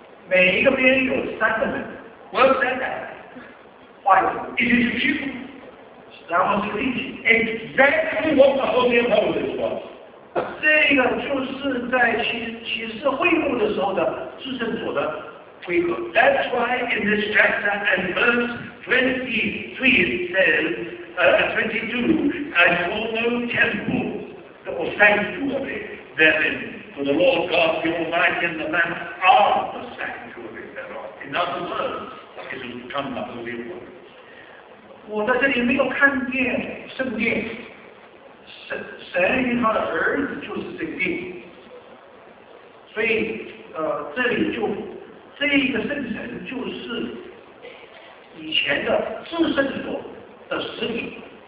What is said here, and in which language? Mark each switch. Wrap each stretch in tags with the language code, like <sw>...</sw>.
<zh>每一个边有三个门。</zh> <en>What's that? It is a cube. That was a cube. Exactly what the Holy of Holies was.</en> <zh>这个就是在启示会幕的时候的至圣所的规格。</zh> <en>That's why in this chapter and verse 23 it says, 22, I saw no temple that was sanctuary therein. For the Lord God, the Almighty and the Lamb are the sanctuary thereof. In other words, it has become the Holy of Holies.</en> <zh>我在这里没有看见圣殿，神与他的儿子就是这个殿，所以这里就这一个圣城就是以前的至圣所的实体。</zh>